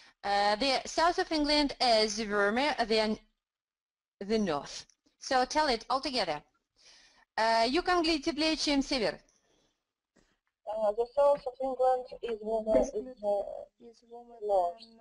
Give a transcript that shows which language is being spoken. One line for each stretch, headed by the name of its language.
English: The south of England is warmer than the north. So tell it all together.
Russian: Юг Англии теплее, чем север.
English: The south of England is warmer than the north.